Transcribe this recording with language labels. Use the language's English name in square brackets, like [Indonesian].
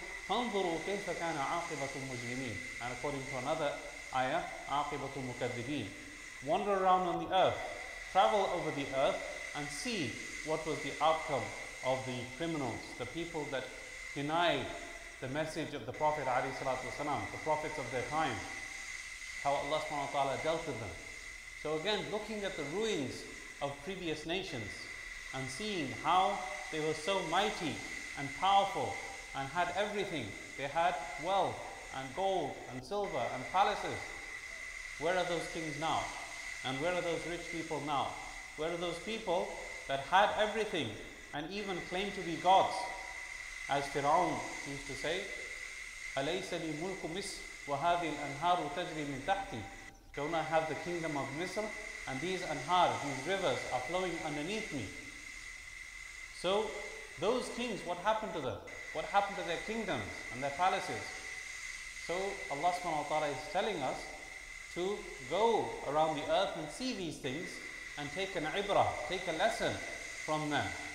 [Arabic] فانظروا كيف كان عاقبة المجرمين. [English] And according to another ayah, عاقبة المكذبين. Wander around on the earth, travel over the earth, and see what was the outcome of the criminals, the people that denied the message of the Prophet عليه الصلاة والسلام, the prophets of their time, how Allah subhanahu wa ta'ala dealt with them. So again, looking at the ruins of previous nations and seeing how they were so mighty and powerful and had everything. They had wealth and gold and silver and palaces. Where are those kings now? And where are those rich people now? Where are those people that had everything and even claimed to be gods? [Arabic] As Fir'aun used to say, أَلَيْسَ لِي مُلْكُ مِسْرِ وَهَذِي الْأَنْهَارُ تَجْرِي مِنْ تَحْتِي. [English] Don't I have the kingdom of Misr? And these anhar, these rivers are flowing underneath me. So those kings, what happened to them? What happened to their kingdoms and their palaces? So Allah subhanahu wa ta'ala is telling us to go around the earth and see these things and take an ibrah, take a lesson from them.